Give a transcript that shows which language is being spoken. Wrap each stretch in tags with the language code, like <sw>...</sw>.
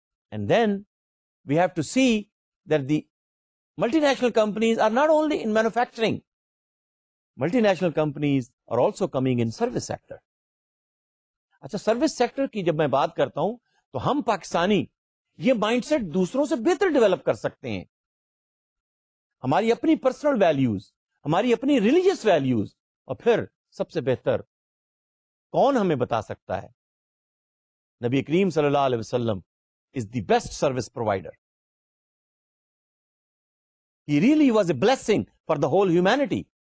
<en>And then we have to see that the multinational companies are not only in manufacturing. Multinational companies are also coming in service sector.</en> <ur>اچھا, service sector کی جب میں بات کرتا ہوں تو ہم پاکستانی یہ مائنڈ سیٹ دوسروں سے بہتر ڈیولپ کر سکتے ہیں. ہماری اپنی پرسنل ویلیوز, ہماری اپنی ریلیجیس ویلیوز, اور پھر سب سے بہتر کون ہمیں بتا سکتا ہے؟ نبی کریم صلی اللہ علیہ وسلم</ur> <en>Is the best service provider. He really was a blessing for the whole humanity.</en>